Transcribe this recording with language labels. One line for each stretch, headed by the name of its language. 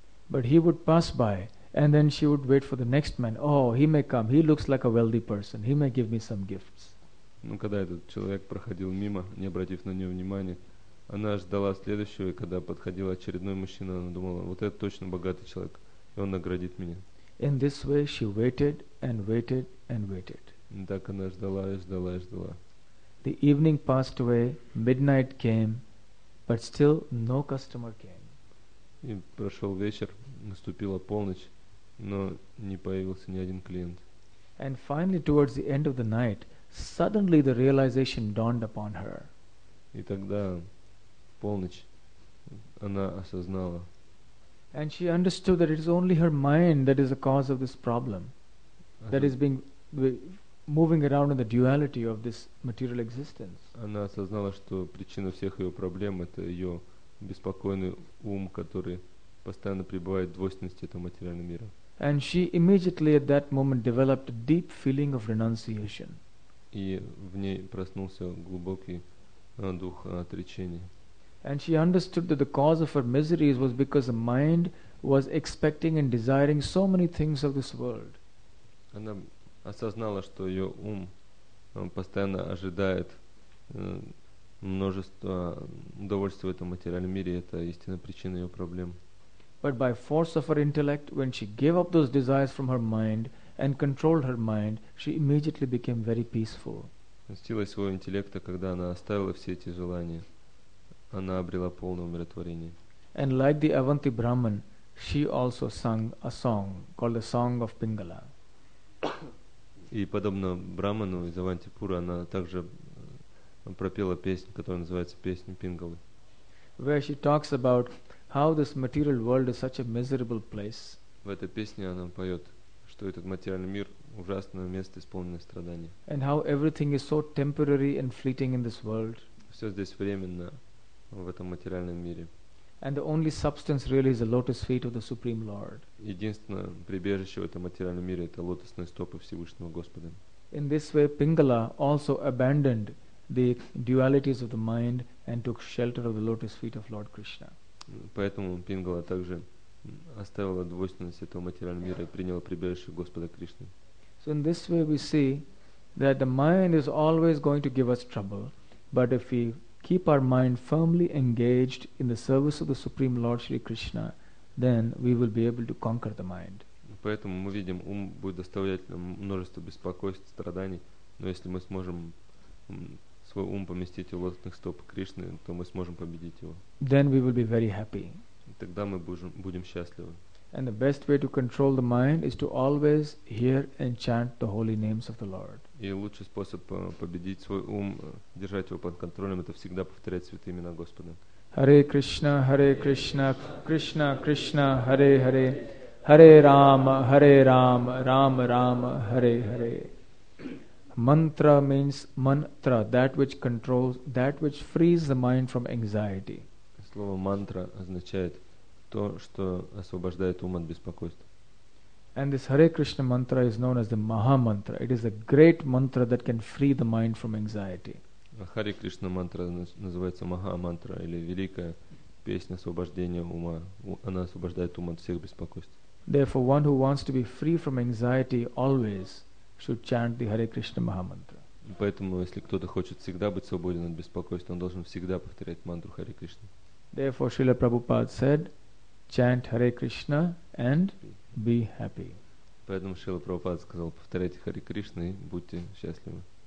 English: But he would pass by, and then she would wait for the next man. Oh, he may come. He looks like a wealthy person. He may give me some gifts.
Russian: Ну, когда этот человек проходил мимо, не обратив на нее внимания, она ждала следующего, и когда подходил очередной мужчина, она думала, вот это точно богатый человек. И он наградит меня.
English: In this way she waited and waited and waited.
Russian: Так она ждала и ждала и ждала.
English: The evening passed away, midnight came, but still no customer came.
Russian: И прошел вечер, наступила полночь, но не появился ни один клиент.
English: And finally, towards the end of the night, suddenly the realization dawned upon her.
Russian: И тогда в полночь она осознала.
English: And she understood that it is only her mind that is the cause of this problem, that is being moving around in the duality of this material existence.
Russian: Она осознала, что причина всех ее проблем – это ее беспокойный ум, который постоянно пребывает в двойственности этого материального мира.
English: And she immediately at that moment developed a deep feeling of renunciation.
Russian: И в ней проснулся глубокий дух отречения.
English: And she understood that the cause of her miseries was because the mind was expecting and desiring so many things of this world.
Russian: Она осознала, что ее ум постоянно ожидает множество удовольствий в этом материальном мире, и это истинная причина ее проблем.
English: But by force of her intellect, when she gave up those desires from her mind and controlled her mind, she immediately became very peaceful.
Russian: Силой своего интеллекта, когда она оставила все эти желания, она обрела полное умиротворение.
English: And like the Avanti Brahman, she also sang a song called the Song of Pingala.
Russian: И подобно Браману из Авантипуры, она также пропела песню, которая называется «Песня Пингалы».
English: Where she talks about how this material world is such a miserable place.
Russian: В этой песне она поет, что этот материальный мир – ужасное место, исполненное страдания.
English: And how everything is so temporary and fleeting in this world.
Russian: Все здесь временно. В этом материальном мире.
English: And the only substance really is the lotus feet of the Supreme Lord.
Russian: Единственное прибежище в этом материальном мире – это лотосные стопы Всевышнего Господа.
English: In this way, Pingala also abandoned the dualities of the mind and took shelter of the lotus feet of Lord Krishna.
Russian: Поэтому Пингала также оставила двойственность этого материального мира и приняла прибежище Господа Кришны.
English: So in this way, we see that the mind is always going to give us trouble, but if we keep our mind firmly engaged in the service of the Supreme Lord Shri Krishna, then we will be able to conquer the mind.
Russian: Поэтому мы видим, ум будет доставлять нам множество беспокойств, страданий, но если мы сможем свой ум поместить в лотосных стоп Кришны, то мы сможем победить его.
English: Then we will be very happy.
Russian: Тогда мы будем счастливы.
English: And the best way to control the mind is to always hear and chant the holy names of the Lord.
Russian: И лучший способ победить свой ум, держать его под контролем, это всегда повторять святые имена Господа. Харе Кришна, Кришна, Кришна, Харе Харе, Харе Рама, Рама Рама, Харе Харе.
English: Mantra means mantra, that which controls, that which frees the mind from anxiety.
Russian: Слово мантра означает то, что освобождает ум от беспокойства.
English: And this Hare Krishna mantra is known as the Maha mantra. It is a great mantra that can free the mind from anxiety.
Russian: Hare Krishna mantra называется Maha mantra, или великая песня освобождения ума. Она освобождает ум от всех беспокойств.
English: Therefore, one who wants to be free from anxiety always should chant the Hare Krishna Maha mantra.
Russian: Поэтому, если кто-то хочет всегда быть свободен от беспокойства, он должен всегда повторять мантру Hare Krishna.
English: Therefore, Srila Prabhupada said, chant Hare Krishna and be happy.
Russian: Поэтому Шрила Прабхупада сказал, повторяйте Харе Кришна и будьте счастливы.